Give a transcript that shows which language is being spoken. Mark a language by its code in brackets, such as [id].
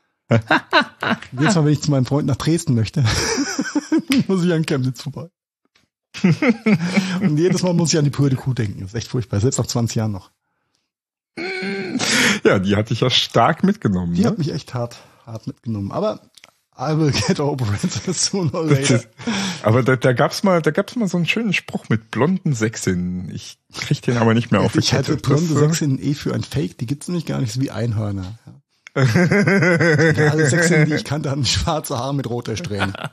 [de] Jetzt mal, wenn ich zu meinem Freund nach Dresden möchte, muss ich an Chemnitz vorbei. Und jedes Mal muss ich an die Pürde Kuh denken. Das ist echt furchtbar, selbst nach 20 Jahren noch. Ja, die hat dich ja stark mitgenommen. Die ne? hat mich echt hart mitgenommen. Aber [en] I will get over it sooner or later. [de] Aber da gab's mal so einen schönen Spruch mit blonden Sechsinnen. Ich krieg den aber nicht mehr auf. Ich halte blonde Sechsinnen für ein Fake. Die gibt's nämlich gar nicht, so wie Einhörner. Alle Sechsinnen, die ich kannte, hatten schwarze Haare mit roter Strähne.